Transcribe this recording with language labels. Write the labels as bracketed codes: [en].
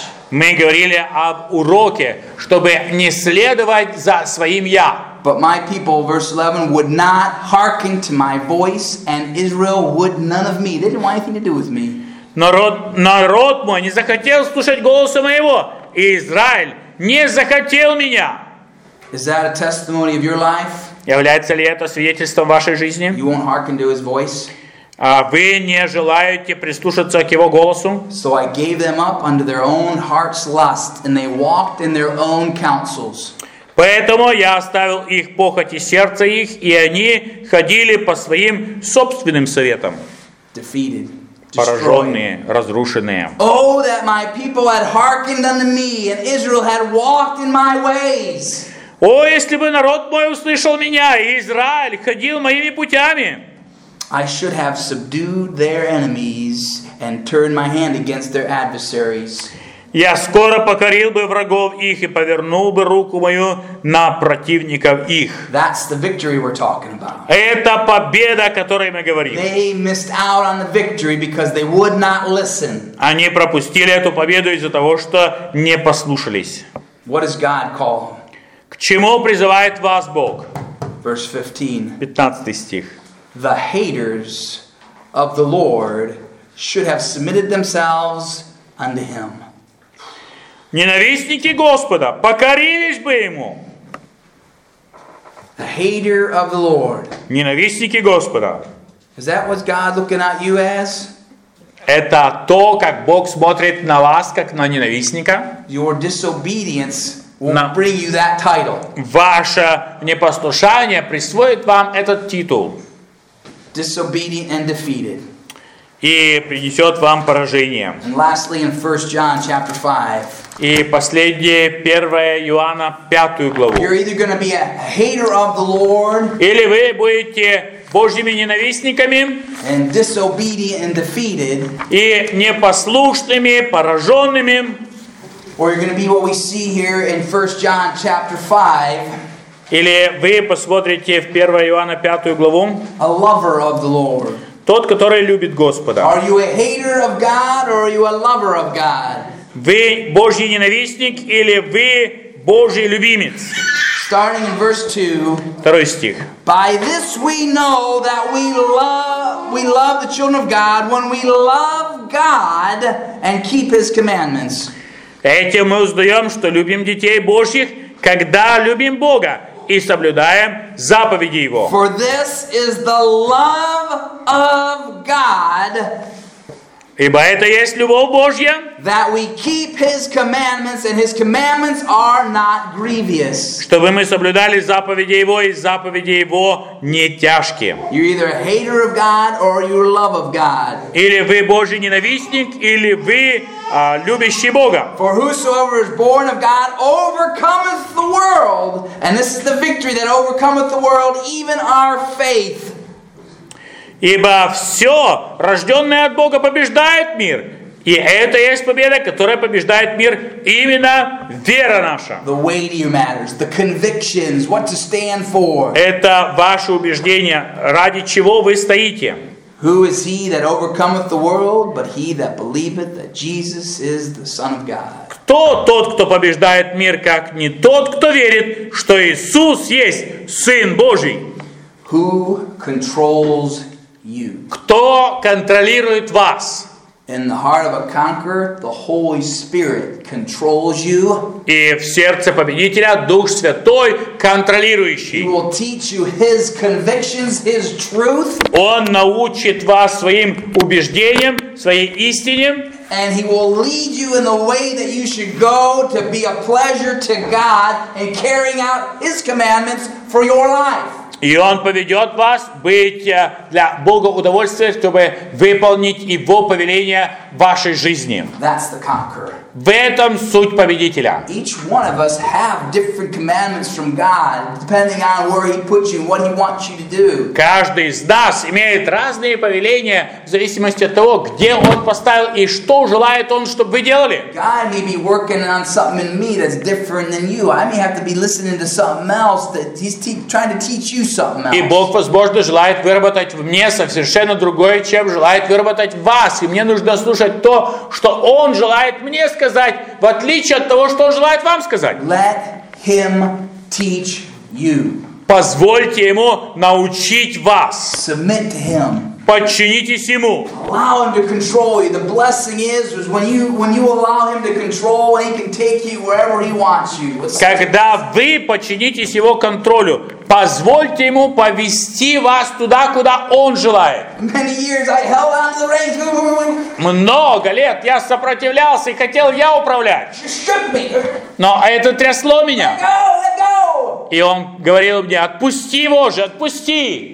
[ru] Мы говорили об уроке, чтобы не следовать за своим «я». [en] But my people, verse 11, would not hearken to my voice, and Israel would none of me. They didn't want anything to do with me. [ru] Народ мой не захотел слушать голоса моего, и Израиль не захотел меня. [en] Is that a testimony of your life? [ru] Является ли это свидетельством вашей жизни? [en] You won't hearken to his voice. [ru] Вы не желаете прислушаться к его голосу? [en] So I gave them up unto their own heart's lust, and they walked in their own counsels. [ru] Поэтому я оставил их похоти сердца их, и они ходили по своим собственным советам. [en] Defeated. [ru] Пораженные, разрушенные. [en] Oh, that my people had hearkened unto me, and Israel had walked in my ways. [ru] О, если бы народ мой услышал меня, и Израиль ходил моими путями. [en] I should have subdued their enemies and turned my hand against their adversaries. [ru] Я скоро покорил бы врагов их и повернул бы руку мою на противников их. [en] That's the victory we're talking about. [ru] Это победа, о которой мы говорим. [en] They missed out on the victory because they would not listen. [ru] Они пропустили эту победу из-за того, что не послушались. [en] What does God call? [ru] К чему призывает вас Бог? [en] Verse [ru] 15 стих. [en] The haters of the Lord should have submitted themselves unto him. [ru] Ненавистники Господа покорились бы ему. [en] The hater of the Lord. [ru] Ненавистники Господа. [en] Is that what God looking at you as? [ru] Это то, как Бог смотрит на вас, как на ненавистника. [en] Your disobedience will bring you that title. [ru] Ваше непослушание присвоит вам этот титул. [en] Disobedient and defeated. [ru] И принесет вам поражение. [en] And lastly, in 1 John chapter 5. [ru] И последнее, 1 Иоанна, 5 главу. [en] You're either going to be a hater of the Lord. [ru] Или вы будете Божьими ненавистниками [en] and disobedient and defeated, [ru] и непослушными, пораженными. [en] Or you're going to be what we see here in 1 John chapter 5. [ru] Или вы посмотрите в 1 Иоанна 5 главу. [en] A lover of the Lord. [ru] Тот, который любит Господа. [en] Are you a hater of God or are you a lover of God? [ru] Вы Божий ненавистник или вы Божий любимец? [en] Starting in verse 2. [ru] Второй стих. [en] By this we know that we love the children of God when we love God and keep his commandments. [ru] Этим мы узнаем, что любим детей Божьих, когда любим Бога и соблюдаем заповеди Его. [en] For this is the love of God. [ru] Ибо это есть любовь Божья. [en] That we keep his commandments and his commandments are not grievous. [ru] Чтобы мы соблюдали заповеди Его и заповеди Его не тяжкие. [en] You're either a hater of God or you're love of God. [ru] Или вы Божий ненавистник, или вы любящий Бога. [en] For whosoever is born of God overcometh the world. And this is the victory that overcometh the world, even our faith. [ru] Ибо все, рожденное от Бога, побеждает мир. И это есть победа, которая побеждает мир, именно вера наша. [en] The weightier matters, the convictions, what to stand for. [ru] Это ваше убеждение, ради чего вы стоите. [en] Who is he that overcometh the world, but he that believeth that Jesus is the Son of God? [ru] Кто тот, кто побеждает мир, как не тот, кто верит, что Иисус есть Сын Божий? [en] Who controls you? [ru] Кто контролирует вас? [en] In the heart of a conqueror, the Holy Spirit controls you. [ru] И в сердце победителя Дух Святой контролирующий. [en] He will teach you his convictions, his truth. [ru] Он научит вас своим убеждениям, своей истине. [en] And he will lead you in the way that you should go to be a pleasure to God in carrying out his commandments for your life. [ru] И он поведет вас быть для Бога удовольствием, чтобы выполнить Его повеление в вашей жизни. [en] That's the conqueror. [ru] В этом суть победителя. [en] Each one of us have different commandments from God, depending on where He puts you and what He wants you to do. [ru] Каждый из нас имеет разные повеления в зависимости от того, где Он поставил и что желает Он, чтобы вы делали. [en] God may be working on something in me that's different than you. I may have to be listening to something else that He's trying to teach you something else. [ru] И Бог, возможно, желает выработать в мне совершенно другое, чем желает выработать в вас. И мне нужно слушать то, что Он желает мне сказать, в отличие от того, что он желает вам сказать. [en] Let him teach you. [ru] Позвольте ему научить вас. [en] Submit to him. [ru] Подчинитесь ему. [en] Allow him to control you. The blessing is when you allow him to control, he can take you wherever he wants you. [ru] Когда вы подчинитесь его контролю, позвольте ему повести вас туда, куда он желает. [en] Many years I held on to the reins. [ru] Много лет я сопротивлялся и хотел я управлять. [en] Shook me. [ru] Но это трясло меня. [en] Let go, let go. [ru] И он говорил мне: отпусти его же, отпусти.